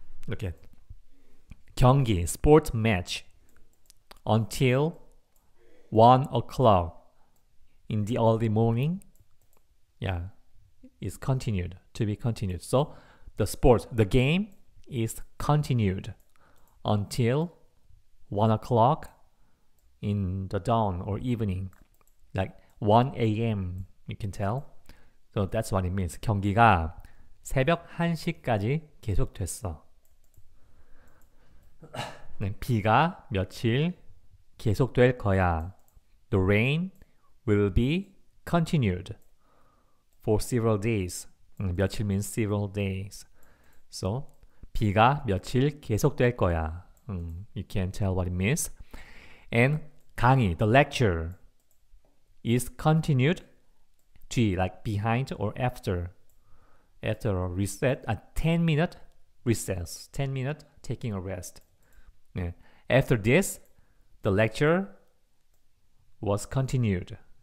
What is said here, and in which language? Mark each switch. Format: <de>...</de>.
<en>Okay, 경기, sports match, until 1 o'clock in the early morning, yeah, is continued, to be continued. So the sport, the game is continued until 1 o'clock in the dawn or evening, like 1 a.m. you can tell. So that's what it means.</en> <ko>경기가 새벽 1시까지 계속됐어. 네, 비가 며칠 계속될 거야.</ko> <en>The rain will be continued for several days. 며칠 means several days.</en> <ko>So 비가 며칠 계속될 거야.</ko> <en>You can tell what it means. And 강의, the lecture, is continued to, like, behind or after. After a reset, a 10-minute recess. 10-minute taking a rest. Yeah. After this, the lecture was continued.</en>